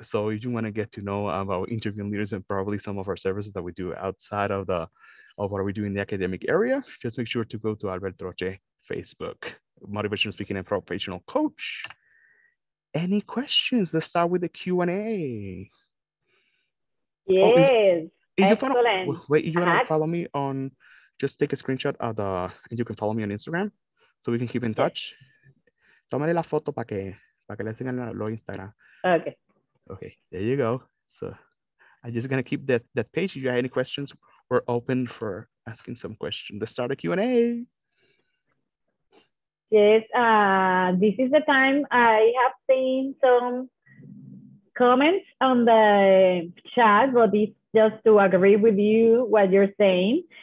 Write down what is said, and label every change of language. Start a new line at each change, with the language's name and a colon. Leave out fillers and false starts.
English: So if you want to get to know about interviewing leaders and probably some of our services that we do outside of the of what we do in the academic area, just make sure to go to Albert Troche Facebook, motivational speaking and professional coach. Any questions? Let's start with the Q&A. Wait, you want to follow me on, just take a screenshot of the, and you can follow me on Instagram so we can keep in touch.
Spanish: Tómale la foto para que le enseñen lo Instagram.
English: Okay, there you go. So I'm just going to keep that page. If you have any questions, we're open for asking some questions. Let's start a Q&A. Yes, this is the time. I have seen some comments on the chat, but it's just to agree with you what you're saying.